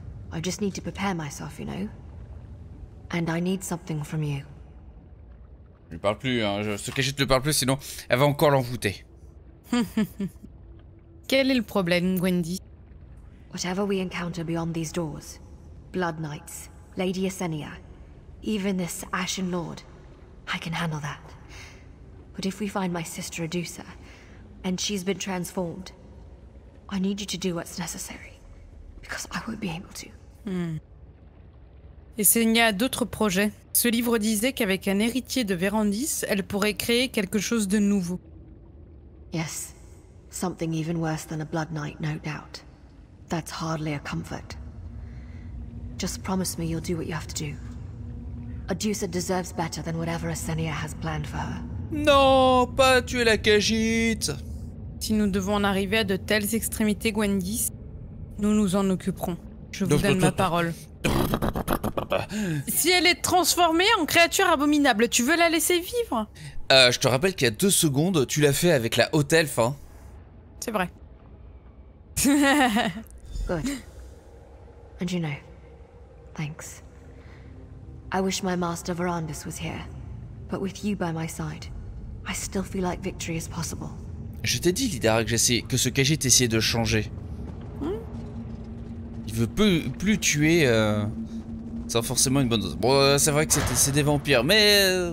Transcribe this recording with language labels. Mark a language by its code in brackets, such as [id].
[en] I just need to prepare myself, you know? And I need something from you. [fr] Je lui parle plus, hein. Ce cachet ne lui parle plus, sinon elle va encore l'envoûter. Quel est le problème, Gwendy? [en] Whatever we encounter beyond these doors, Blood Knights, Lady Asenia, even this Ashen Lord, I can handle that. But if we find my sister Adusa, and she's been transformed, I need you to do what's necessary, because I won't be able to. [fr] Asenia a d'autres projets. Ce livre disait qu'avec un héritier de Vérandis, elle pourrait créer quelque chose de nouveau. [en] Yes, something even worse than a Blood Knight, no doubt. That's hardly a comfort. Just promise me you'll do what you have to do. Adusa deserves better than whatever Asenia has planned for her. [fr] Non, pas tuer la Khajiit. Si nous devons en arriver à de telles extrémités, Gwendis, nous nous en occuperons. Je vous donne ma parole. Si elle est transformée en créature abominable, tu veux la laisser vivre? Je te rappelle qu'il y a 2 secondes, tu l'as fait avec la haute elfe, hein. C'est vrai. [en] Good. And you know, thanks. I wish my master Vérandis was here. But with you by my side, I still feel like victory is possible. [fr] Je t'ai dit, Lydara, que ce Khajiit essayait de changer. Il veut plus tuer. C'est forcément une bonne chose. Bon, c'est vrai que c'est des vampires, mais.